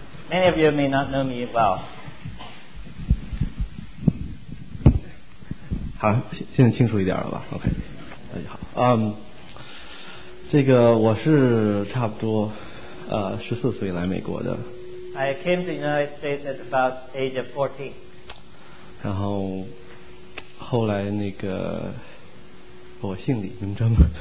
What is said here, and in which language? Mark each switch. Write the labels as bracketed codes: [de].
[en] Many of you may not know me well. [zh] 好，现在清楚一点了吧 ？OK， 大家好。这个我是差不多14岁来美国的。 [en] I came to the United States at about age of 14. [zh] 然后后来那个我姓李名征。